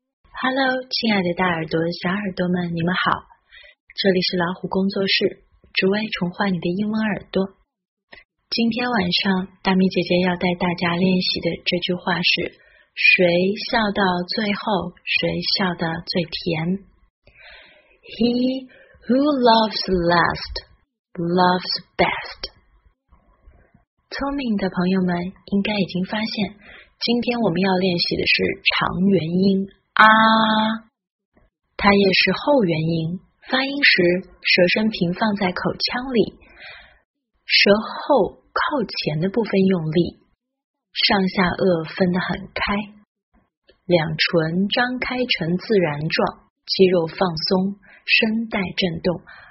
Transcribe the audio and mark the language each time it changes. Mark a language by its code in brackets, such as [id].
[zh] Hello，亲爱的大耳朵、小耳朵们，你们好！这里是老虎工作室，只为宠坏你的英文耳朵。今天晚上，大米姐姐要带大家练习的这句话是：谁笑到最后，谁笑得最甜。 [en] He who loves last, loves best。 [zh] 聪明的朋友们应该已经发现，今天我们要练习的是长元音。啊，它也是后元音，发音时舌身平放在口腔里，舌后靠前的部分用力，上下颚分得很开，两唇张开成自然状，肌肉放松，声带震动。